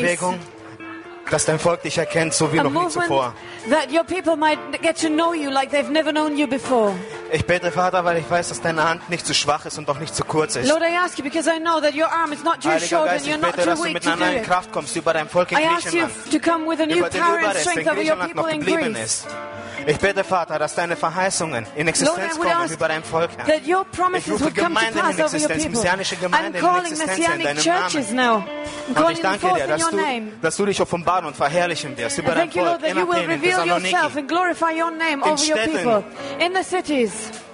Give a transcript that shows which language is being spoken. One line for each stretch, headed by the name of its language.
German: Bewegung, dass dein Volk dich erkennt, so wie
English: a
German: noch nie zuvor.
English: That your people might get to know you like they've never known you before.
German: Ich bete, Vater, weil ich weiß, dass deine Hand nicht zu schwach ist und auch nicht zu kurz ist.
English: Lord, I ask you because I know that your arm is not too short and you're not too weak to do it.
German: Ich bete, dass du mit einer neuen Kraft kommst über dein Volk in
English: Griechenland. I ask you to come with a new power and strength over your people in Greece.
German: Ich bitte, Vater, dass deine Verheißungen in Existenz kommen über dein Volk.
English: That your promises
German: ich rufe Gemeinden in Existenz, messianische Gemeinden in Existenz in deinem Namen.
English: Now.
German: Und ich danke dir, dass du dich offenbaren und verherrlichen wirst über dein Volk,
English: Lord, you will reveal yourself and glorify your name over your people in the cities.